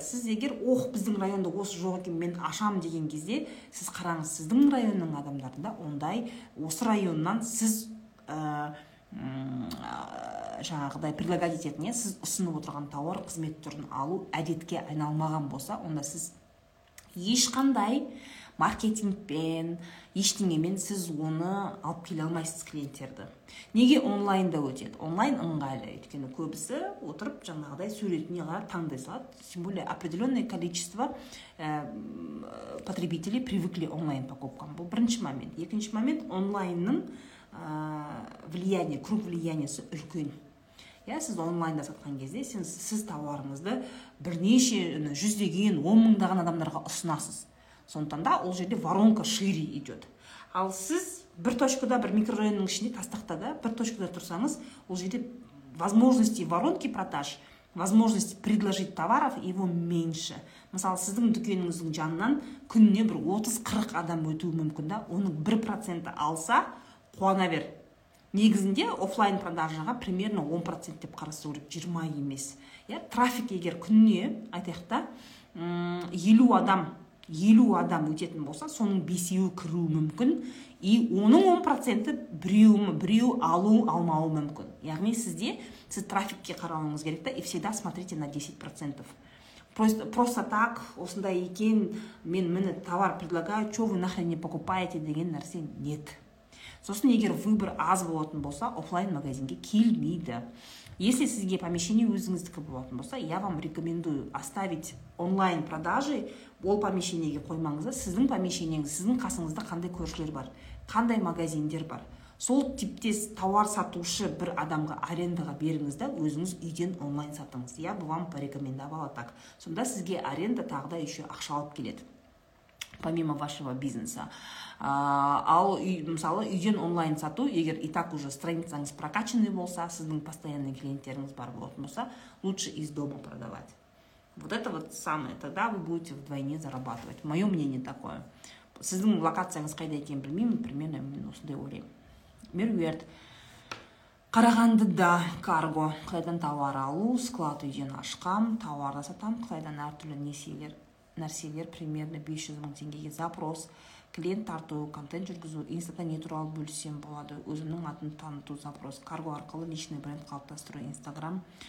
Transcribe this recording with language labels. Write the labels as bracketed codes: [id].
[kk] Сіз егер, біздің районда осы жоқ екен, мен ашам деген кезде, сіз қараңыз, сіздің районның адамдарында ондай осы районнан сіз жаңағыдай предлагать ететін, сіз ұсынып отырған тауар қызмет түрін алу әдетке айналмаған болса, онда сіз ешқандай маркетингпен, ештеңемен сіз оны алып келе алмайсыз клиенттерді. Неге онлайнда өтеді? Онлайн ыңғайлы, өйткені көбісі отырып жаңағыдай суретіне қарап таңдай салады. [ru] Тем более определенное количество потребителей привыкли онлайн покупкам. [kk] Бұл бірінші момент. Екінші момент, онлайнның влияние, круг влияниесі үлкен. Сіз онлайнда сатқан кезде, сіз тауарыңызды бірнеше жүздеген, 10,000 адамдарға ұсынасыз. Сондықтан да ол жерде [ru] воронка шири идет. [kk] Ал сіз бір точкада, бір микрорайонның ішінде тастақта да, бір точкада тұрсаңыз, ол жерде [ru] возможности воронки продаж, возможности предложить товаров его меньше. [kk] Мысалы, сіздің дүкеніңіздің жанынан күніне бір 30-40 адам өтуі мүмкін да, оның 1% алса, қуана бер. Негізінде офлайн продажаға примерно 10% деп қарастыру керек, 20 емес. Трафик егер күніне, айтайық та, 50 адам 50 адам өтетін болса, соның 5-еуі кіруі мүмкін, и оның 10%-ы біреу алмауы мүмкін. Яғни сізде, сіз трафикке қарауыңыз керек та, [ru] и всегда смотрите на 10%. Просто так, [kk] осындай екен, мен міне [ru] товар предлагаю, что вы нахрен не покупаете [kk] деген нәрсе [ru] нет. [kk] Сосын егер выбор аз болатын болса, офлайн магазинге келмейді. Если сізге помещение өзіңіздікі болатын болса, [ru] я вам рекомендую оставить онлайн продажи, [kk] ол помещениеге қоймаңызды, сіздің помещениеңіз, сіздің қасыңызда қандай көршілер бар, қандай магазиндер бар. Сол типтес товар сатушы бір адамға арендаға беріңіз да, өзіңіз үйден онлайн сатыңыз. [ru] Я бы вам порекомендовала так. [kk] Сонда сізге аренда тағы да еще ақша алып келеді, [ru] помимо вашего бизнеса. [kk] Ал мысалы, үйден онлайн сату, егер [ru] и так уже [kk] страницаңыз прокачанный болса, сіздің постоянный клиенттеріңіз бар болатын болса, [ru] лучше из дома продавать. Вот это вот самое, тогда вы будете вдвойне зарабатывать. Мое мнение такое. [kk] Сіздің локацияңыз қайда екенін білмеймін, примерно мен осындай ойлаймын. Мерверт. Қарағандыда карго, қайдан товар алу, склад үйден ашқам, товарды сатам, қайдан әртүрлі нәрселер, примерно 500 мың теңгеге запрос, клиент тарту, контент жүргізу, инстада не туралы бөлісем болады, өзімнің атын таныту запрос, карго арқылы личный бренд қалыптастыру, инстаграм.